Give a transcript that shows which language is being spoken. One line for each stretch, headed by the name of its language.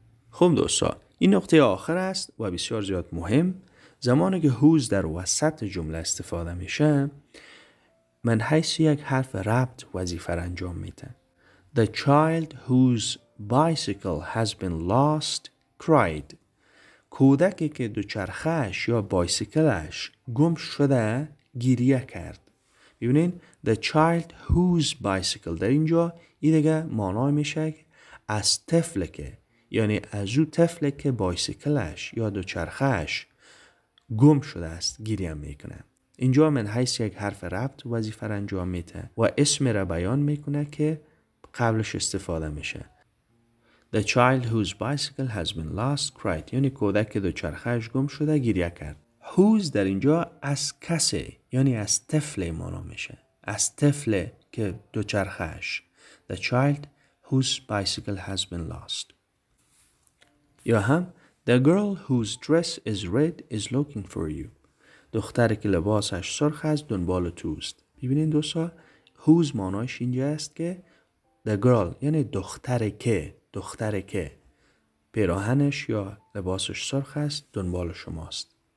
Persian: خب دوستا این نقطه آخر است و بسیار زیاد مهم. زمانی که هوز در وسط جمله استفاده میشه من حیث یک حرف ربط وظیفه را انجام میتن.
English: The child whose bicycle has been lost cried.
Persian: کودکی که دوچرخش یا بایسیکلش گم شده گریه کرد. ببینین
English: the child whose bicycle
Persian: در اینجا این دیگه مانای میشه از طفل که، یعنی از او طفل که بایسیکلش یا دوچرخش گم شده است گریه میکنه. اینجا من حیث یک حرف ربط وظیفه را انجام میده و اسم را بیان میکنه که قبلش استفاده میشه.
English: The child whose bicycle has been lost cried.
Persian: یعنی کودک دوچرخش گم شده گریه کرد. Whose در اینجا از کسی، یعنی از طفل مانو میشه. از طفل که دوچرخش.
English: The child whose bicycle has been lost.
Persian: یا هم
English: The girl whose dress is red is looking for you.
Persian: دختری که لباسش سرخ است دنبال توست. ببینین دوستا whose مانایش اینجا است که The girl یعنی دختری که، دختری که پیراهنش یا لباسش سرخ است دنبال شماست.